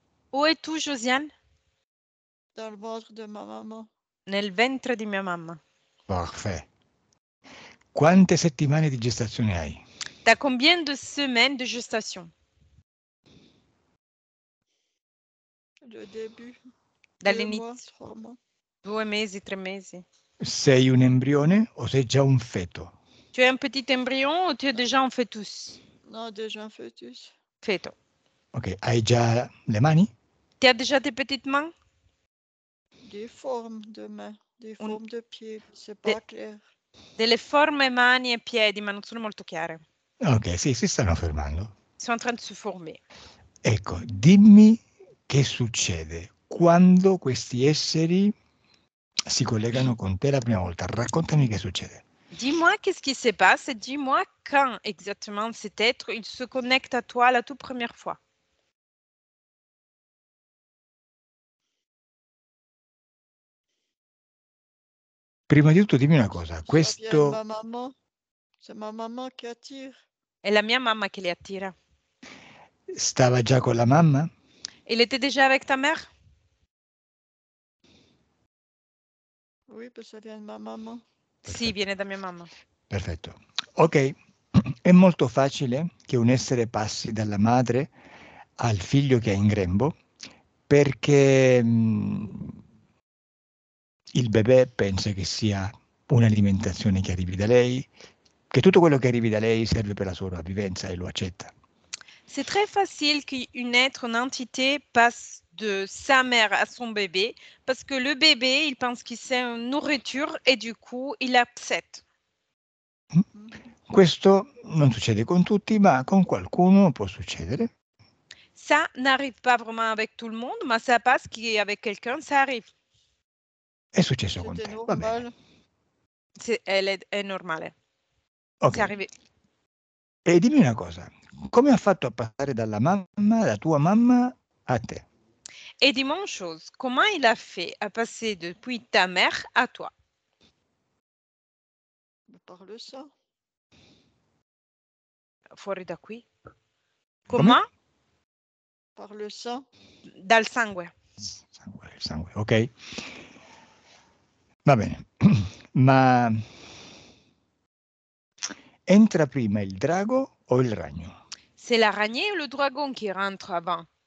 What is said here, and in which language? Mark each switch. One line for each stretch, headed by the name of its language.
French: Où es-tu, Josiane? Dans le ventre de ma maman.
Italian: Nel ventre di mia mamma.
French: Parfait.
Italian: Quante settimane di gestazione hai?
French: T'as combien de semaines de gestation? Le début, deux mois,
Italian: Dall'inizio,
French: 3 mois.
Italian: 2 mesi, 3 mesi. Sei un embrione o sei già un feto?
French: Tu es un petit embryon ou tu es déjà un fœtus? Non, déjà un fœtus.
Italian: Feto. Ok, hai già le mani?
French: Tu as déjà des petites mains? Des formes de mains, des Un... formes de pieds, c'est pas clair.
Italian: Delle forme, mani e piedi, ma non sono molto chiare. Ok, sì, si stanno fermando.
French: Sono in train di se former.
Italian: Ecco, dimmi che succede quando questi esseri si collegano con te la prima volta. Raccontami che succede.
French: Dis-moi qu'est-ce qui se passe et dis-moi quand exactement cet être il se connecte à toi la toute première fois.
Italian: Prima di tutto, dimmi una cosa. Questo.
French: maman. C'est ma maman qui attire.
Italian: È la mia mamma che li attira. Stava già con la mamma?
French: Il était déjà avec ta mère? Oui, parce que ça vient de ma maman.
Italian: Sì, viene da mia mamma. Perfetto. Ok, è molto facile che un essere passi dalla madre al figlio che è in grembo, perché il bebè pensa che sia un'alimentazione che arrivi da lei, che tutto quello che arrivi da lei serve per la sua sopravvivenza e lo accetta.
French: C'est très facile qu'un être, une entité, passe de sa mère à son bébé, parce que le bébé, il pense qu'il sait une nourriture et du coup, il accepte.
Italian: Questo non succede con tutti, ma con qualcuno può succedere.
French: Ça n'arrive pas vraiment avec tout le monde, mais ça passe qu'avec quelqu'un, ça arrive.
Italian: È successo con
French: C'était
Italian: te, va bene.
French: normal.
Italian: È normale.
French: C'est
Italian: Ok.
French: arrivé.
Italian: E dimmi una cosa, come ha fatto a passare dalla mamma, la tua mamma, a te?
French: Et dis-moi une chose, comment il a fait à passer depuis ta mère à toi? Par le sang.
Italian: Fuori da qui? Come?
French: Comment? Par le sang.
Italian: Dal sangue. Sangue, ok. Va bene, ma entra prima il drago o il ragno?
French: C'est l'araignée ou le dragon qui rentre avant?